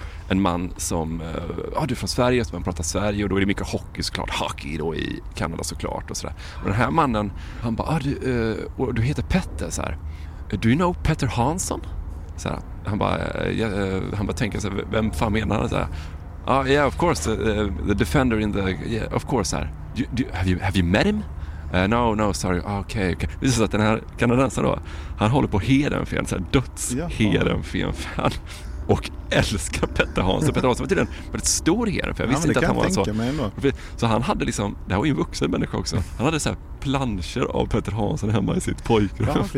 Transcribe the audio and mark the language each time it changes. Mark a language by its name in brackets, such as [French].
[Swedish] En man som, ja, du är från Sverige, som pratar Sverige, och då är det mycket hockey såklart, hockey då i Kanada såklart och sådär. Och den här mannen, han bara, du heter Petter såhär, [English] do you know Petter Hansson? [Swedish] Såhär, han bara tänker såhär, vem fan menar han såhär? [English] Yeah, of course, the defender in the, yeah, of course såhär, have you met him? No, sorry. Okay. [Swedish] Det är så att den här kanadensaren då, han håller på Hedenfen, såhär döds Hedenfen-fan. Och älskar Petter Hansson. Petter Hansson var tydligen väldigt stor här. För jag visste inte att han var så. Så han hade liksom, det här var ju en vuxen människa också. Han hade så här planscher av Petter Hansson hemma i sitt pojkrum.